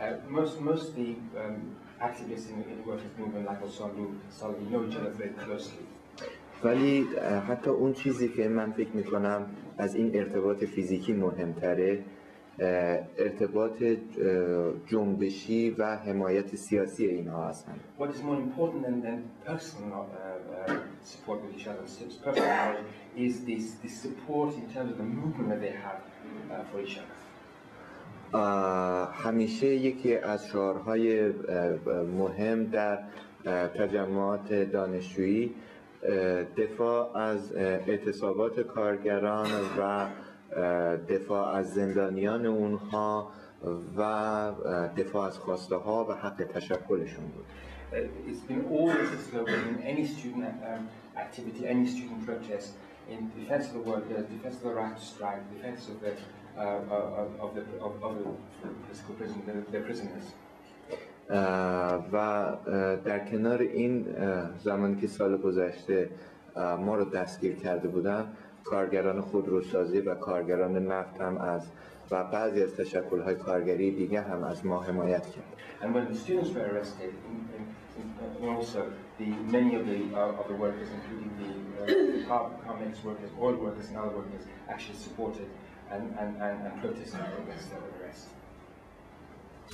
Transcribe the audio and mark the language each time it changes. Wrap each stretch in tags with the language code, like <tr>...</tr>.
<en>Most the activists in the workers movement like Osanlu, Salehi know each other very closely.</en> <fa>ولی حتی اون چیزی که من فکر می‌کنم از این ارتباط فیزیکی مهم‌تره ارتباط جنبشی و حمایت سیاسی اینها هستن.</fa> <en>What is more important than personal support with each other, personal knowledge, is this support in terms of the movement that they have for each other.</en> <fa>همیشه یکی از شعارهای مهم در تجمعات دانشجویی دفاع از اعتصابات کارگران و دفاع از زندانیان اونها و دفاع از خواسته ها و حق تشکلشون بود.</fa> <en>It's been always a slogan in any student activity, any student protest, in defense of the workers, defense of the right to strike, defense of the political prisoners, their prisoners.</en> <fa>و در کنار این زمانی که سال گذشته ما رو دستگیر کرده بودن کارگران خودروسازی و کارگران نفت هم از و بعضی از تشکل‌های کارگری دیگه هم از ما حمایت کرد.</fa> <en>And when the students were arrested, also the many of the workers, including the car makers workers, oil workers and other workers, actually supported and protested against their arrest. Thank you. David, too.</en>